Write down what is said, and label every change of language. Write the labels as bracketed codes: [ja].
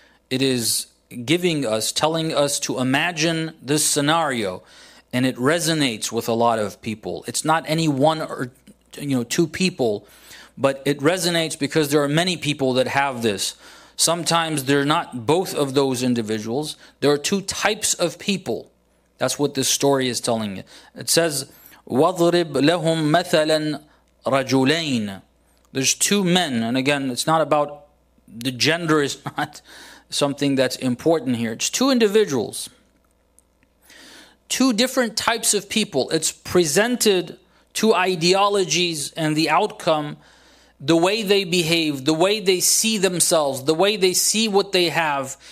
[en] It is giving us, telling us to imagine this scenario, and it resonates with a lot of people. It's not any one or two people, but it resonates because there are many people that have this. Sometimes they're not both of those individuals. There are two types of people. That's what this story is telling you. It says, [ar] وَضْرِبْ لَهُمْ مَثَلًا رَجُلَيْنَ. [en] There's two men, and again, it's not about the gender, is not something that's important here. It's two individuals, two different types of people. It's presented two ideologies and the outcome, the way they behave, the way they see themselves, the way they see what they have.